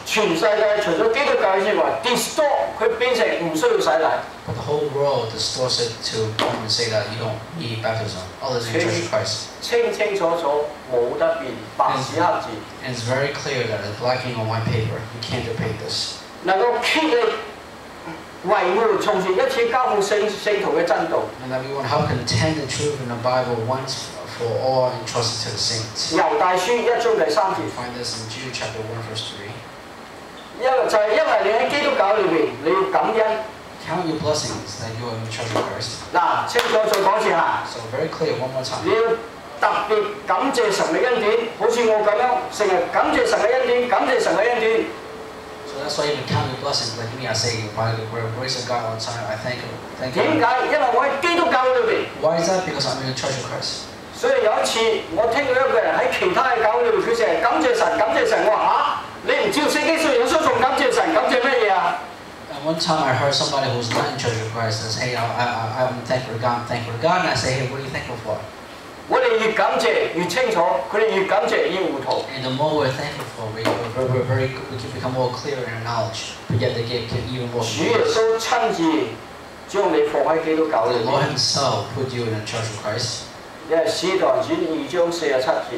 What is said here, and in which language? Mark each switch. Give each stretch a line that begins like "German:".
Cantonese: 全世界除咗基督教之外 ，distort 佢變成唔需要洗禮。
English: But the whole world distorts it to come and say that you don't need baptism, other than Jesus Christ.
Cantonese: 清清楚楚冇得變，白紙黑字。
English: And it's very clear that it's black ink on white paper. You can't debate this.
Cantonese: 能够竭力维护从前一次交付信徒嘅真道。
English: And that we want to help contend the truth in the Bible once for all entrusted to the saints.
Cantonese: 犹大书一章第三节。
English: You find this in Jude chapter 1 verse 3.
Cantonese: 因为你喺基督教里边，你要感恩。
English: Count your blessings that you are in charge of Christ.
Cantonese: 嗱，清楚再讲一次啊。
English: So very clear, one more time.
Cantonese: 你要特別感謝神嘅恩典，好似我咁樣，成日感謝神嘅恩典，感謝神嘅恩典。
English: So that's why you count your blessings like me. I say by the grace of God all the time. I thank you.
Cantonese: 點解？因為我喺基督教裏邊。
English: Why is that? Because I'm in charge of Christ.
Cantonese: 所以有一次，我聽到一個人喺其他嘅教裏邊，佢成日感謝神，感謝神。我話嚇，你唔照聖經信耶穌，仲感謝神，感謝咩嘢啊？
English: One time I heard somebody who's not in Church of Christ says, hey, I'm thankful to God, and I say, hey, what are you thankful for?
Cantonese: 我哋越感謝越清楚，佢哋越感謝越糊塗。
English: And the more we're thankful for, we can become more clear in our knowledge. But yet they get even more confused.
Cantonese: 主耶穌親自將你放喺基督教裏面。
English: The Lord Himself put you in the Church of Christ.
Cantonese: 因為使徒行傳二章四十七節。